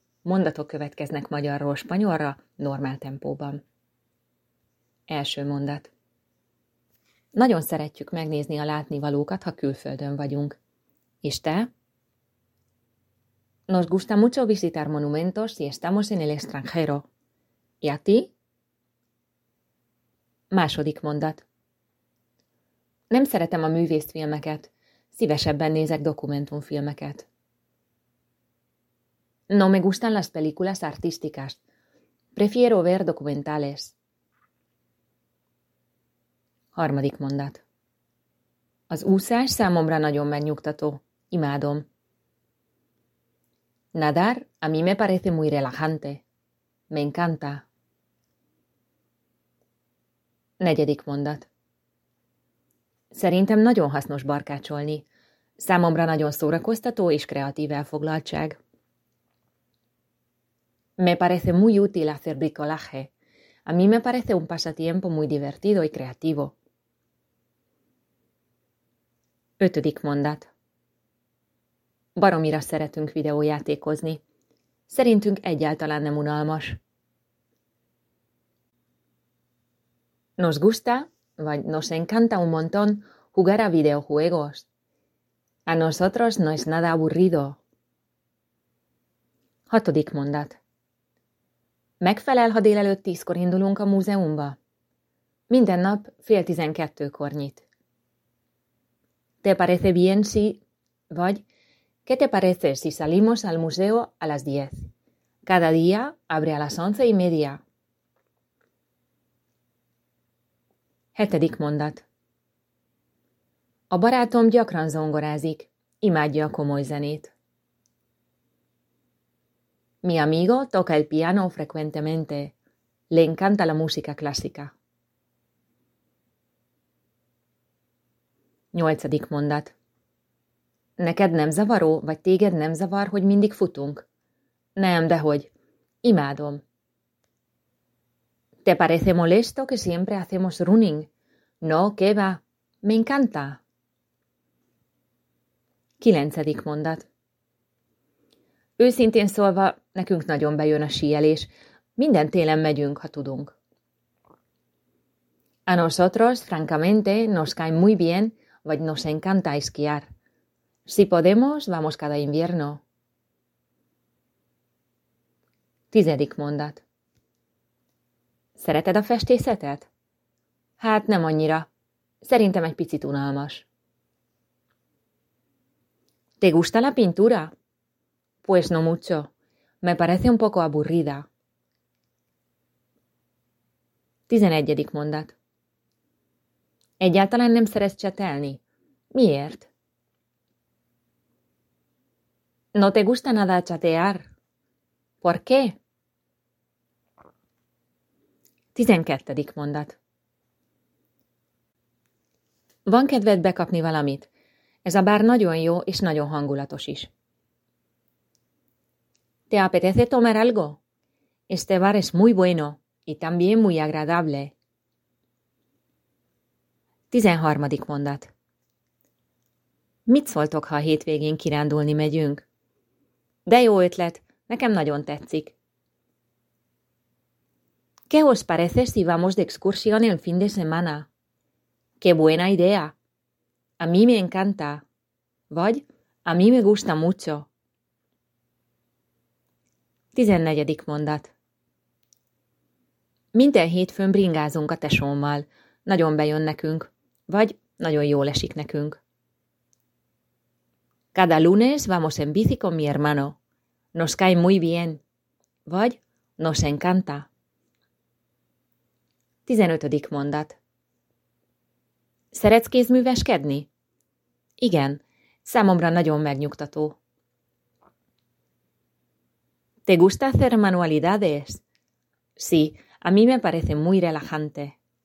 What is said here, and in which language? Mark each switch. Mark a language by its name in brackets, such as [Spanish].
[Hungarian] Mondatok következnek magyarról spanyolra, normál tempóban. Első mondat. Nagyon szeretjük megnézni a látnivalókat, ha külföldön vagyunk. És te? [Spanish] Nos gusta mucho visitar monumentos si estamos en el extranjero. ¿Y a ti? [Hungarian] Második mondat. Nem szeretem a művészfilmeket. Szívesebben nézek dokumentumfilmeket. [Spanish] No me gustan las películas artísticas. Prefiero ver documentales. [Hungarian] Harmadik mondat. Az úszás számomra nagyon megnyugtató. Imádom. [Spanish] Nadar a mí me parece muy relajante. Me encanta. [Hungarian] Negyedik mondat. Szerintem nagyon hasznos barkácsolni. Számomra nagyon szórakoztató és kreatív elfoglaltság. [Spanish] Me parece muy útil hacer bricolaje. A mí me parece un pasatiempo muy divertido y creativo. [Hungarian] Ötödik mondat. Baromira szeretünk videójátékozni. Szerintünk egyáltalán nem unalmas. [Spanish] Nos gusta, [Hungarian] vagy [Spanish] nos encanta un montón jugar a videojuegos. A nosotros no es nada aburrido. [Hungarian] Hatodik mondat. Megfelel, ha délelőtt 10-kor indulunk a múzeumba? Minden nap 11:30-kor nyit. [Spanish] Te parece bien si... [Hungarian] Vagy, [Spanish] ¿qué te parece si salimos al museo a las 10? Cada día abre a las 11:30. [Hungarian] Hetedik mondat. A barátom gyakran zongorázik. Imádja a komoly zenét. [Spanish] Mi amigo toca el piano frecuentemente. Le encanta la música clásica. [Hungarian] Nyolcadik mondat. Neked nem zavaró, vagy téged nem zavar, hogy mindig futunk? Nem, dehogy. Imádom. [Spanish] Te parece molesto que siempre hacemos running? No, qué va. Me encanta. [Hungarian] Kilencedik mondat. Őszintén szólva, nekünk nagyon bejön a síelés. Minden télen megyünk, ha tudunk. [Spanish] A nosotros, francamente, nos cae muy bien, [Hungarian] vagy [Spanish] nos encanta esquiar. Si podemos, vamos cada invierno. [Hungarian] Tizedik mondat. Szereted a festészetet? Hát nem annyira. Szerintem egy picit unalmas. [Spanish] ¿Te gusta la pintura? Pues no mucho. Me parece un poco aburrida. [Hungarian] 11. mondat. Egyáltalán nem szeretsz csetelni? Miért? [Spanish] No te gusta nada chatear. ¿Por qué? [Hungarian] 12. mondat. Van kedved bekapni valamit? Ez a bár nagyon jó és nagyon hangulatos is. [Spanish] ¿Te apetece tomar algo? Este bar es muy bueno y también muy agradable. [Hungarian] 13. mondat. Mit szóltok, ha a hétvégén kirándulni megyünk? De jó ötlet, nekem nagyon tetszik. [Spanish] ¿Qué os parece si vamos de excursión el fin de semana? ¡Qué buena idea! A mí me encanta. [Hungarian] Vagy, [Spanish] a mí me gusta mucho. [Hungarian] 14. mondat. Minden hétfőn bringázunk a tesómmal. Nagyon bejön nekünk. Vagy, nagyon jól esik nekünk. [Spanish] Cada lunes vamos en bici con mi hermano. Nos cae muy bien. [Hungarian] Vagy, [Spanish] nos encanta. [Hungarian] 15. mondat. Szeretsz kézműveskedni? Igen, számomra nagyon megnyugtató. [Spanish] ¿Te gusta hacer manualidades? Sí, a mí me parece muy relajante.